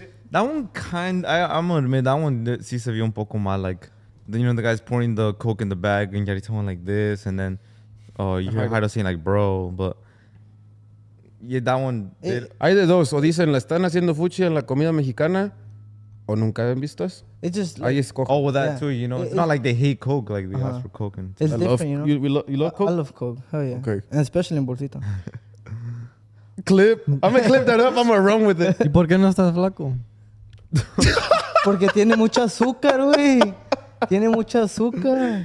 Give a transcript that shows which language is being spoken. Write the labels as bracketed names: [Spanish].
[English] That one kind I'm gonna admit that one [Spanish] si se vio un poco mal, [English] like you know the guy's pouring the Coke in the bag and Yarita went like this and then you hear Jairo saying like bro, but yeah, that one [Spanish] hay de dos, o dicen la están haciendo fuchi en la comida mexicana o nunca han visto eso. [English] It's just like, I oh, with that yeah. too, you know, it's not like they hate Coke, like they ask for Coke. And it's different, love, you know. You love Coke? I love Coke, hell yeah. Okay. And especially in Bolsita. Clip. I'm going to clip that up. I'm going to run with it. [Spanish] ¿Y por qué no estás flaco? Porque tiene mucha azúcar, güey. Tiene mucha azúcar.